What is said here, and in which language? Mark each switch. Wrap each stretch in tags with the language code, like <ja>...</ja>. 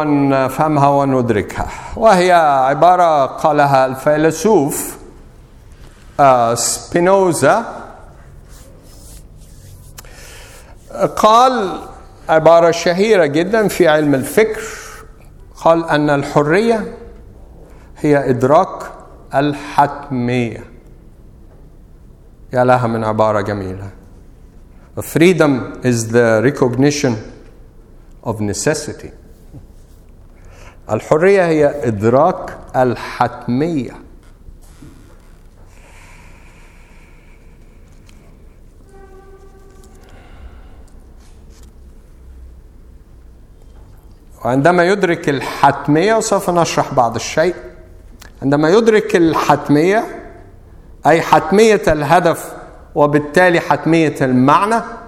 <ar>نفهمها وندركها، وهي عبارة قالها الفيلسوف سبينوزا. قال عبارة شهيرة جدا في علم الفكر، قال أن الحرية هي إدراك الحتمية. يا لها من عبارة جميلة.</ar> <en>Freedom is the recognition of necessity.</en> <ar>الحرية هي إدراك الحتمية. وعندما يدرك الحتمية، وسوف نشرح بعض الشيء، عندما يدرك الحتمية أي حتمية الهدف وبالتالي حتمية المعنى،</ar>